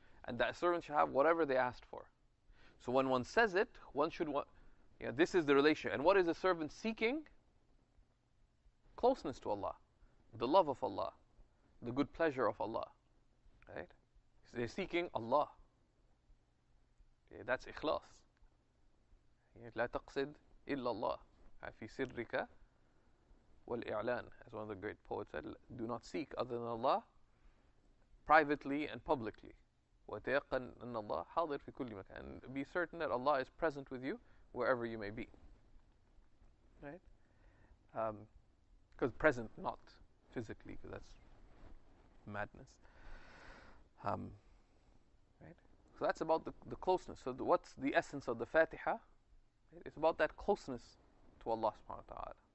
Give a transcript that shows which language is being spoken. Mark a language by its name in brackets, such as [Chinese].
[English] And that servant shall have whatever they asked for. So when one says it, this is the relationship. And what is a servant seeking? Closeness to Allah. The love of Allah, the good pleasure of Allah, right? So they're seeking Allah. Yeah, that's ikhlas. [Arabic] لا تقصد إلا الله في سرك والإعلان. [English] As one of the great poets said, do not seek other than Allah privately and publicly. [Arabic] وتيقن أن الله حاضر في كل مكان. [English] And be certain that Allah is present with you wherever you may be. Right? Because present, not physically, because that's madness. Right? So that's about the closeness. So what's the essence of the Fatiha? It's about that closeness to Allah subhanahu wa ta'ala.